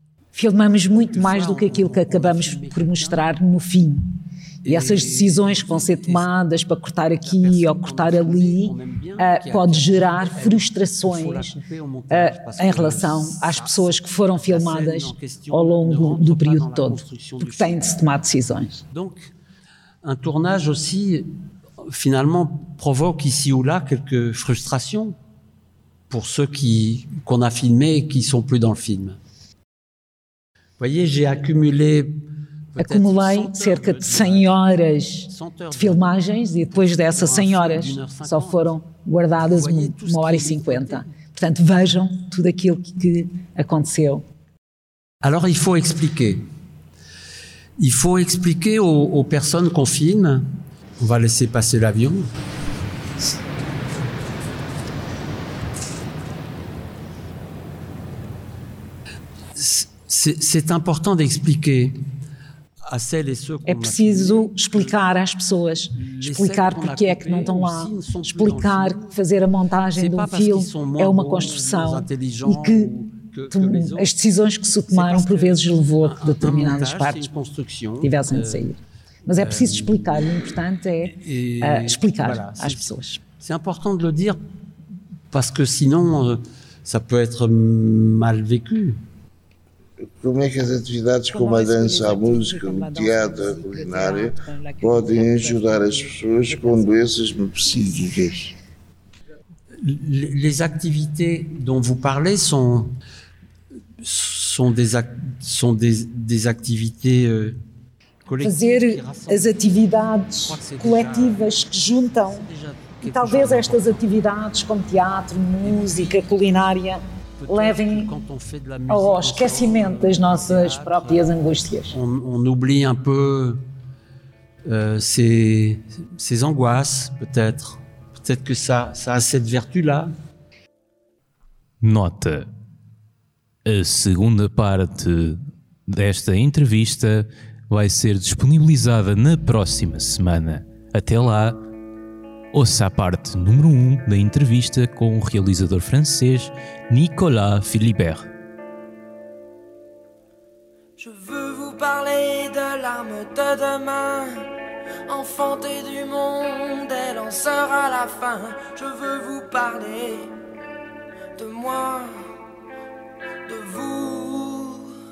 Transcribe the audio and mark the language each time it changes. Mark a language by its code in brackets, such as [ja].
[pt] Filmamos muito mais do que aquilo que acabamos por mostrar no fim. E essas decisões que vão ser tomadas para cortar aqui ou cortar ali pode gerar frustrações em relação às pessoas que foram filmadas ao longo do período todo, porque têm de se tomar decisões. [fr] Então, um tournage aussi, finalement, provoque ici ou là quelques frustrations pour ceux qu'on a filmé et qui ne sont plus dans le film. Vous voyez, j'ai accumulé. [pt] Acumulei cerca de 100 horas de filmagens e depois dessas 100 horas só foram guardadas 1 hora e 50. Portanto, vejam tudo aquilo que aconteceu. [fr] Alors, il faut expliquer. Il faut expliquer aux personnes qu'on filme. On va laisser passer l'avion. C'est important d'expliquer. [pt] É preciso explicar às pessoas, explicar porque é que não estão lá, explicar que fazer a montagem de um filme é uma construção e que as decisões que se tomaram por vezes levou a que determinadas partes tivessem de sair. Mas é preciso explicar, o importante é explicar às pessoas. É importante [fr] de le dire, parce que sinon ça peut être mal vécu. [pt] Como é que as atividades como a dança, a música, o teatro, a culinária podem ajudar as pessoas com doenças psíquicas? [fr] Les activités dont vous parlez sont des activités [pt] coletivas. Fazer as atividades coletivas que juntam, e talvez estas atividades como teatro, música, culinária levem ao esquecimento das nossas próprias angústias. [fr] On oublie un peu ces angoisses, peut-être. Peut-être que ça a cette vertu-là. [pt] Nota: a segunda parte desta entrevista vai ser disponibilizada na próxima semana. Até lá, ouça a parte número 1 da entrevista com o realizador francês Nicolas Philibert. [fr] Je veux vous parler de l'âme de demain, enfantée du monde, elle en sera la fin. Je veux vous parler de moi, de vous.